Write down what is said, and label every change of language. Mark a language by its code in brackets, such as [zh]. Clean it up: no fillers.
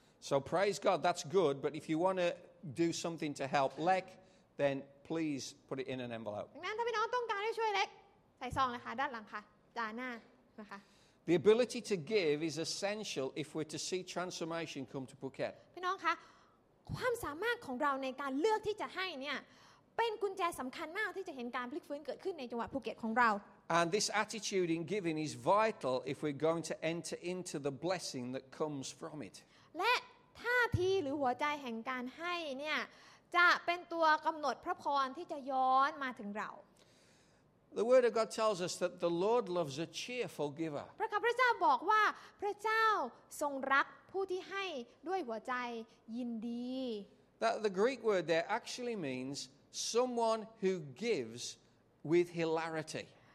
[en] So praise God, that's good. But if you want to do something to help Lek, then please put it in an envelope. [th] ดังนั้นถ้าพี่น้องต้องการให้ช่วยเล็กใส่ซองนะคะด้านหลังค่ะจานหน้านะคะ [en] The ability to give is essential if we're to see transformation come to Phuket. [th] พี่น้องคะความสามารถของเราในการเลือกที่จะให้เนี่ยเป็นกุญแจสำคัญมากที่จะเห็นการพลิกฟื้นเกิดขึ้นในจังหวัดภูเก็ตของเรา [en] And this attitude in giving is vital if we're going to enter into the blessing that comes from it. [th] และท่าทีหรือหัวใจแห่งการให้เนี่ยจะเป็นตัวกำหนดพระพรที่จะย้อนมาถึงเรา [en] The word of God tells us that the Lord loves a cheerful giver. [th] พระคัมภีร์เจ้าบอกว่าพระเจ้าทรงรักผู้ที่ให้ด้วยหัวใจยินดี [en] That the Greek word there actually means someone who gives with hilarity.